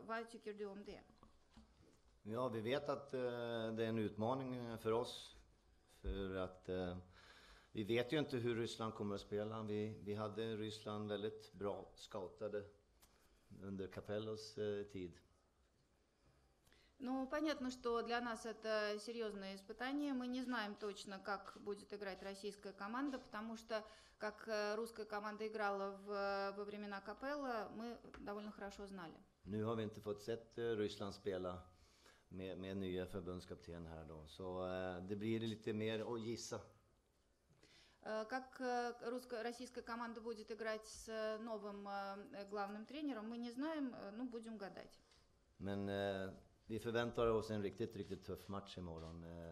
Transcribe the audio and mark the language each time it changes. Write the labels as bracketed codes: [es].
[sv] Vad tycker du om det? Ja, vi vet att det är en utmaning för oss, för att vi vet ju inte hur Ryssland kommer att spela. Vi hade Ryssland väldigt bra scoutade under Capellos tid. [ru] Ну, понятно, что для нас это серьезное испытание. Мы не знаем точно, как будет играть российская команда, потому что, как русская команда играла во времена Капелло, мы довольно хорошо знали. [sv] Nu har vi inte fått sett Ryssland spela. Med nya förbundskapten här då. Så det blir lite mer att gissa. [ru] Как российская команда будет играть с новым главным тренером, мы не знаем, но будем гадать. [sv] Men vi förväntar oss en riktigt, riktigt tuff match imorgon.